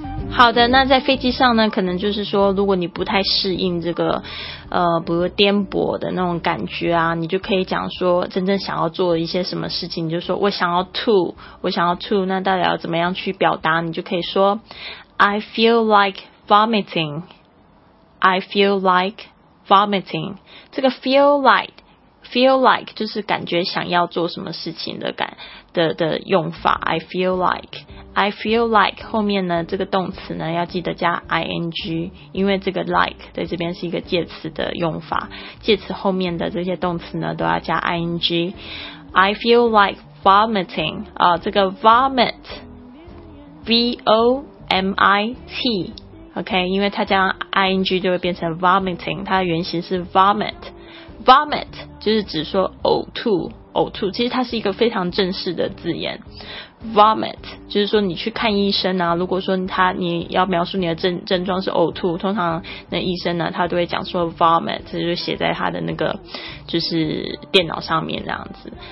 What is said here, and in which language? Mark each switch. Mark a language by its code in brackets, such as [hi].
[zh] 好的，那在飞机上呢，可能就是说如果你不太适应这个比如颠簸的那种感觉啊，你就可以讲说真正想要做一些什么事情，你就说我想要吐，我想要吐，那到底要怎么样去表达，你就可以说 [en] I feel like vomiting， [zh] I feel like vomiting， 这个 feel like feel like 就是感觉想要做什么事情的感的用法。 [en] I feel like， I feel like [zh] 后面呢这个动词呢要记得加 ing， 因为这个 like 在这边是一个介词的用法，介词后面的这些动词呢都要加 ing。 [en] I feel like vomiting [zh] 啊，这个 vomit， v o m i t， OK， 因为它加 ing 就会变成 vomiting， 它的原型是 vomit。 Vomit 就是指说呕吐，呕吐其实它是一个非常正式的字眼。 Vomit 就是说你去看医生啊，如果说你要描述你的症状是呕吐，通常那医生呢他都会讲说 vomit， 这就写在他的那个就是电脑上面这样子。